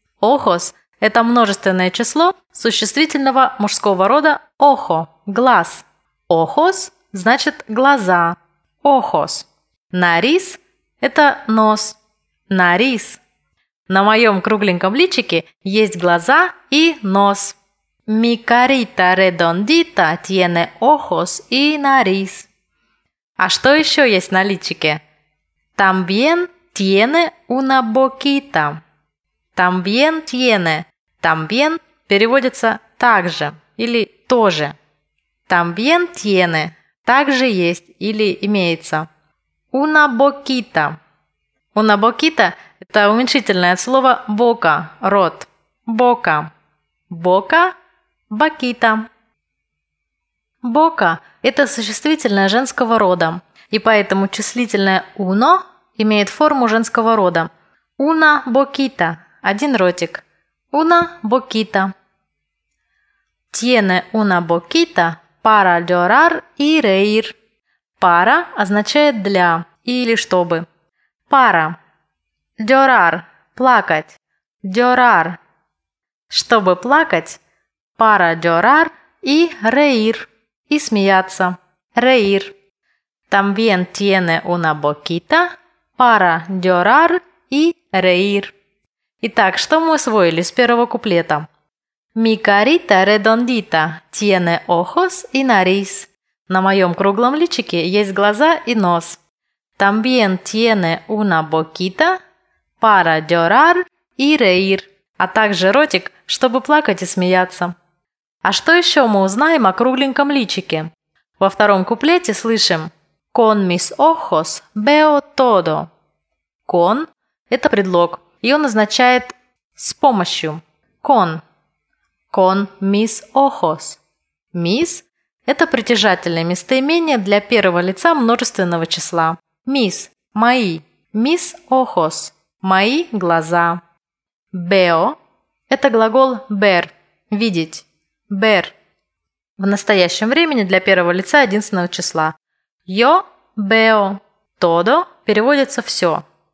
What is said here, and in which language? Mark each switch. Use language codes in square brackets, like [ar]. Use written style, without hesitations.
[ru] Ojos – это множественное число существительного мужского рода ojo – глаз. Ojos – значит глаза. [es] Ojos. [ru] Nariz – это нос. [es] Nariz. [ru] На моем кругленьком личике есть глаза и нос. [es] Mi carita redondita tiene ojos y nariz. [ru] А что еще есть на личике? [es] También tiene una boquita. También tiene. [ru] También переводится также или тоже. [es] También tiene. [ru] Также есть или имеется. [es] Una boquita. Una boquita [ru] – это уменьшительное слово boca – рот. [es] Boca. Boca – boquita. [ru] Boca – это существительное женского рода. И поэтому числительное uno – имеет форму женского рода. [es] Una boquita [ru] – один ротик. [es] Una boquita. Tiene una boquita para llorar y reír. Para [ru] означает «для» или чтобы. Пара. Llorar – плакать. [es] Llorar. [ru] Чтобы плакать, пара llorar и reír – и смеяться. [es] Reír. También tiene una boquita para llorar y reír. [ru] Итак, что мы усвоили с первого куплета? [es] Mi carita redondita tiene ojos y nariz. [ru] На моем круглом личике есть глаза и нос. [es] También tiene una boquita para llorar y reír. [ru] А также ротик, чтобы плакать и смеяться. А что еще мы узнаем о кругленьком личике? Во втором куплете слышим [es] Con mis ojos veo todo. [ru] Con – это предлог, и он означает «с помощью». [es] Con. Con mis ojos. [ru] Mis – это притяжательное местоимение для первого лица множественного числа. Mis – мои. [es] Mis ojos [ru] – мои глаза. Veo – это глагол ver – видеть. Ver – в настоящем времени для первого лица единственного числа. [es] Yo veo todo [ru] – переводится «все».